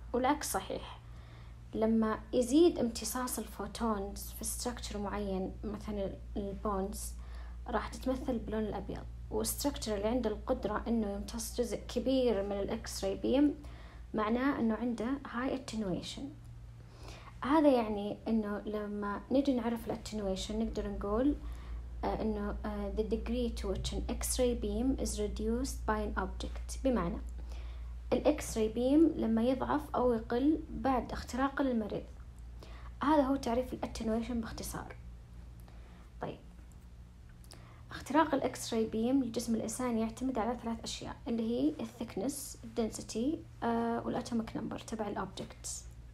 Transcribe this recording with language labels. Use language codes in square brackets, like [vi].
[ar] والعكس صحيح، لما يزيد امتصاص الفوتونز في ستركتشر معين مثلا البونز راح تتمثل باللون الأبيض، والستركتر اللي عنده القدرة انه يمتص جزء كبير من الاكس راي بيم معناه انه عنده هاي اتنويشن. هذا يعني انه لما نجي نعرف الاتنويشن نقدر نقول انه [en] the degree to which an x ray beam is reduced by an object. [ar] بمعنى الاكس راي بيم لما يضعف او يقل بعد اختراق المريض، هذا هو تعريف الاتنويشن باختصار. اختراق الاكس راي بيم لجسم الانسان يعتمد على ثلاث اشياء اللي هي الثيكنس الدنسيتي والاتوميك نمبر تبع الاوبجكت.